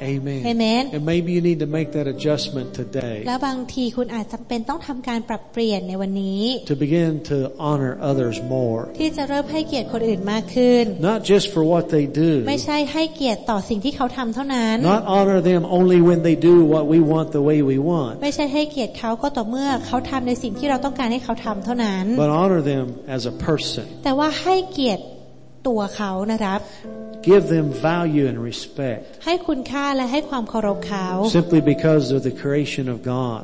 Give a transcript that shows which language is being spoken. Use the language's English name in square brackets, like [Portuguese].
[English] Amen Amen And maybe you need to make that adjustment today [Thai] และบางทีคุณอาจจําเป็นต้องทําการปรับเปลี่ยนในวันนี้ [English] To begin to honor others [Thai] ที่จะเริ่มให้เกียรติคนอื่นมากขึ้น [English] Not just for what they do [Thai] ไม่ใช่ให้เกียรติต่อสิ่งที่เขาทำเท่านั้น [English] Not honor them only when they do what we want the way we want [Thai] ไม่ใช่ให้เกียรติเขาก็ต่อเมื่อเขาทำในสิ่งที่เราต้องการให้เขาทำเท่านั้น [English] But honor them as a person [Thai] แต่ว่าให้เกียรติตัวเขานะครับ [English] Give them value and respect [Thai] ให้คุณค่าและให้ความเคารพเขา [English] Simply because they're the creation of God